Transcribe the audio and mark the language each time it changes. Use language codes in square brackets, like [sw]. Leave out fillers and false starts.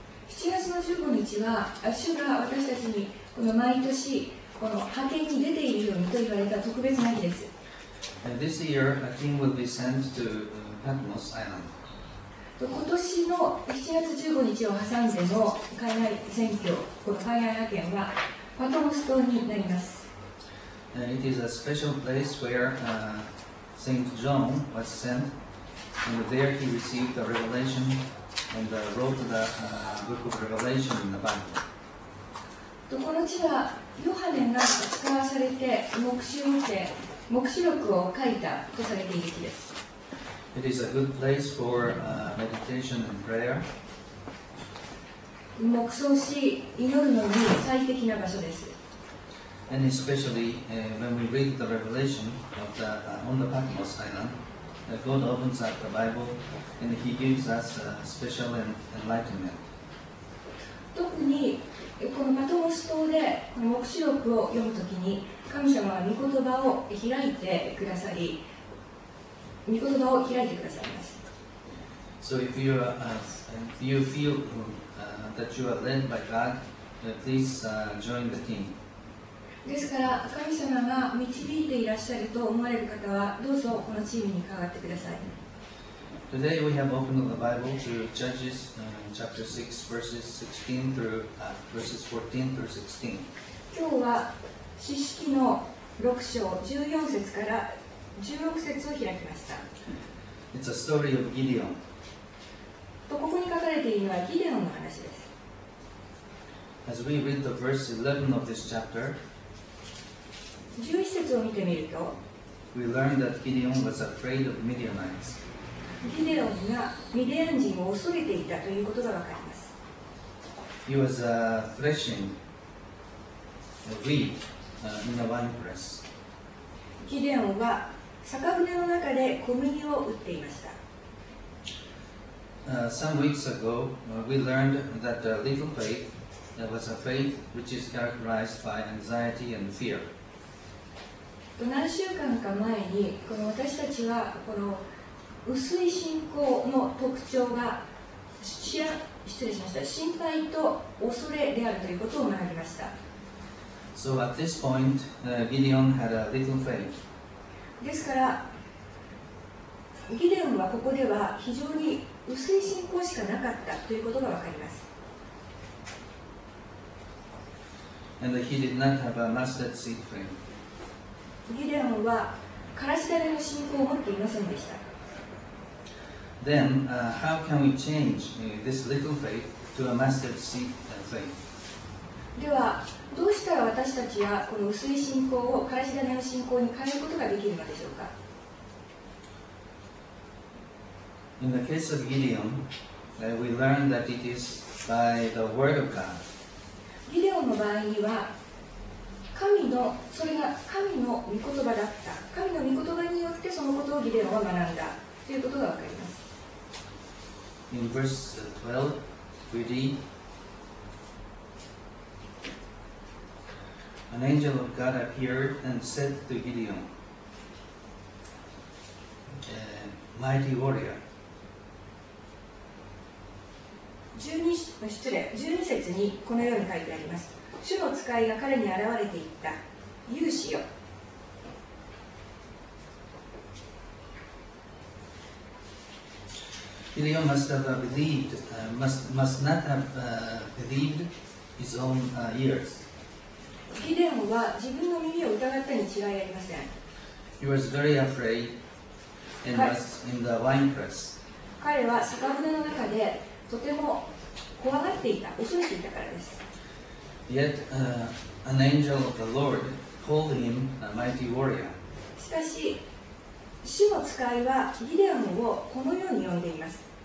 [ja] 7月の15日は主が私たちにこの毎年この派遣に出ているようにと言われた特別な日です。 [en] And this year, a team will be sent to Patmos Island. [ja] 今年の7月15日を挟んでの海外選挙、この海外派遣はパトモス島になります。 [en] And it is a special place where Saint John was sent. And there he received the revelation and wrote the book of Revelation in the Bible. [ja] この地はヨハネが使わされて黙示録を書いたとされている地です。 [en] It is a good place for meditation and prayer. [ja] 黙想し祈るのに最適な場所です。 [en] And especially when we read the revelation of the, on the Patmos Island,God opens up the Bible and He gives us a special enlightenment. [ja] 特にこのパトモス島でこの黙示録を読むときに神様は御言葉を開いてくださり御言葉を開いてくださいます。 [en] So if you, if you feel that you are led by God, please join the team. [ja] ですから神様が導いていらっしゃると思われる方はどうぞこのチームに加わってください。 [en] Today we have opened the Bible to Judges chapter 6 verses 16 through verses 14 through 16. [ja] 今日は四式の 6章14節から16節を開きました。 [en] It's a story of Gideon. [ja] とここに書かれているのはギデオンの話です。 [en] As we read the verse 11 of this chapter, [ja] 11節を見てみると [en] We learn that Gideon was afraid of Midianites. [ja] ギデオンがミディアン人を恐れていたということがわかります。 [en] He was threshing a wheat in a wine press. [ja] ギデオンは酒舟の中で小麦を打っていました。 [en] Some weeks ago, we learned that a little faith that was a faith which is characterized by anxiety and fear. [ja] 何週間か前に、この私たちはこの薄い信仰の特徴が心配と恐れであるということを学びました。 [en] So at this point, Gideon had a little faith. [ja] ですからギデオンはここでは非常に薄い信仰しかなかったということがわかります。 [en] And he did not have a mustard seed frame. [ja] ギデオンはからし種の信仰を持っていませんでした。 [en] Then, how can we change this little faith to a mustard seed faith? [ja] ではどうしたら私たちはこの薄い信仰をからし種の信仰に変えることができるのでしょうか。 [en] In the case of Gideon, we learn that it is by the word of God. [ja] ギデオンの場合には神の、それが神の御言葉だった、神の御言葉によってそのことをギデオンは学んだということがわかります。 [en] In verse 12, we readAn angel of God appeared and said to Gideon, mighty warrior. [ja] 12節にこのように書いてあります。主の使いが彼に現れていった。勇士よ。 [en] Gideon must not have believed his own ears. [ja] ギデオンは自分の耳を疑ったに違いありません。 [en] He was very afraid and was in the wine press. [ja] 彼は酒舟の中でとても怖がっていた、恐れていたからです。 [en] Yet, an angel of the Lord called him a mighty warrior. [ja] しかし、主の使いはギデオンをこのように呼んでいます。